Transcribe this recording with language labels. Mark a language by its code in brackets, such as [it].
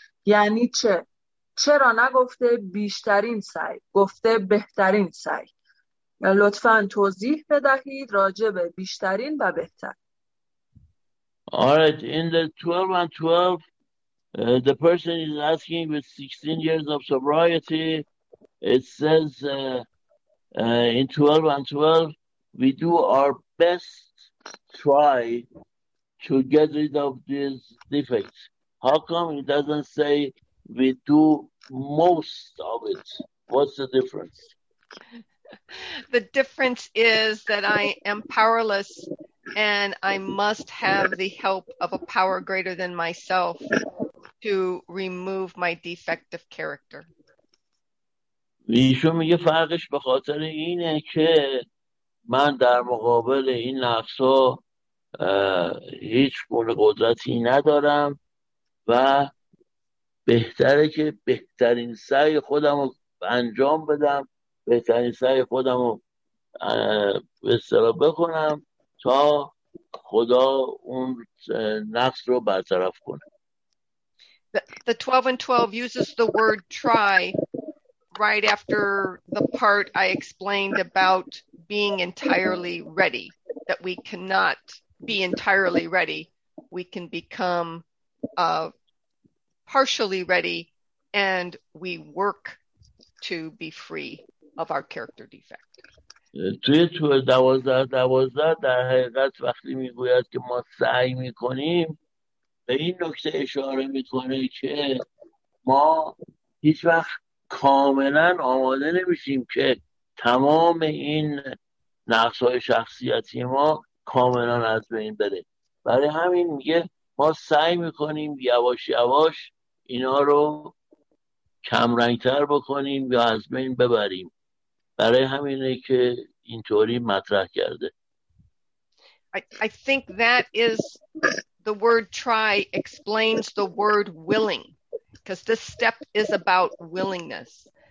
[fa] یعنی چه؟ چرا نگفته بیشترین سعی، گفته بهترین سعی؟ لطفاً توضیح بدهید راجع به بیشترین و بهتر. [en] Alright, in the 12 and 12, the person is asking with 16 years of sobriety, it says in 12 and 12, we do our best try to get rid of these defects. How come it doesn't say we do most of it? What's the difference? The difference is that I am powerless and I must have the help of a power greater than myself to remove my defective character. [fa] ایشون میگه فرقش به خاطر اینه که من در مقابل این نفسا هیچ گونه قدرتی ندارم و بهتره که بهترین سعی خودم رو انجام بدم، بهترین سعی خودم رو به اصطلاح بکنم تا خدا اون نقص رو برطرف کنه. [en] The 12 and 12 uses the word try right after the part I explained about being entirely ready, that we cannot be entirely ready. We can become partially ready and we work to be free of our character defect. [fa] توی تو دوازده دوازده در حقیقت وقتی میگوید که ما سعی میکنیم به این نکته اشاره میکنه که ما هیچ وقت کاملا آماده نمیشیم که تمام این نقصهای شخصیتی ما کاملا از بین بره. برای همین میگه ما سعی میکنیم یواش یواش اینا رو کمرنگتر بکنیم یا از بین ببریم. برای همینه که اینطوری مطرح کرده. [en] I think that is the word try explains the word willing, because this step is about willingness.